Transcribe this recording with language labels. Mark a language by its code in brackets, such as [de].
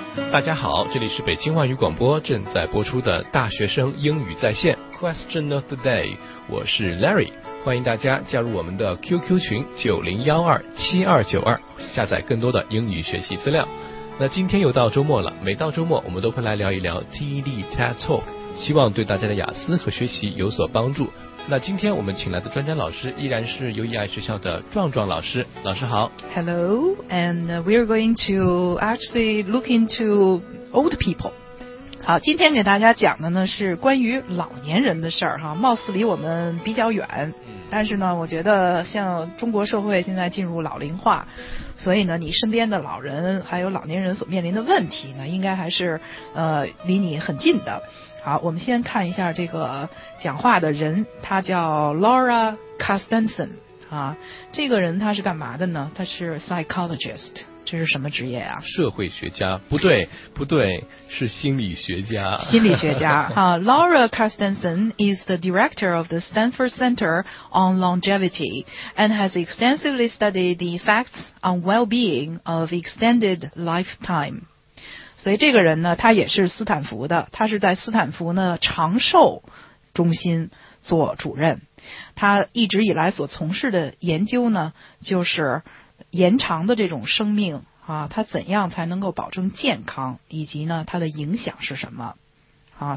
[zh] 大家好，这里是北京外语广播正在播出的大学生英语在线 Question of the day， 我是 Larry， 欢迎大家加入我们的 QQ 群90127292，下载更多的英语学习资料。那今天又到周末了，每到周末我们都会来聊一聊 TED TED Talk， 希望对大家的雅思和学习有所帮助。那今天我们请来的专家老师依然是 UEI 学校的壮壮老师，老师好。 [en] Hello, and we are going to actually look into old people. [zh] 好，今天给大家讲的呢是关于老年人的事儿哈，貌似离我们比较远，但是呢，我觉得像中国社会现在进入老龄化，所以呢，你身边的老人还有老年人所面临的问题呢，应该还是离你很近的。好，我们先看一下这个讲话的人，他叫 Laura Carstensen 啊。这个人他是干嘛的呢？他是 psychologist， 这是什么职业啊？社会学家？不对，不对，是心理学家。心理学家啊。 [en] Laura Carstensen is the director of the Stanford Center on Longevity and has extensively studied the effects on well-being of extended lifetime. [zh] 所以这个人呢，他也是斯坦福的，他是在斯坦福呢长寿中心做主任。他一直以来所从事的研究呢，就是延长的这种生命啊，他怎样才能够保证健康，以及呢他的影响是什么啊。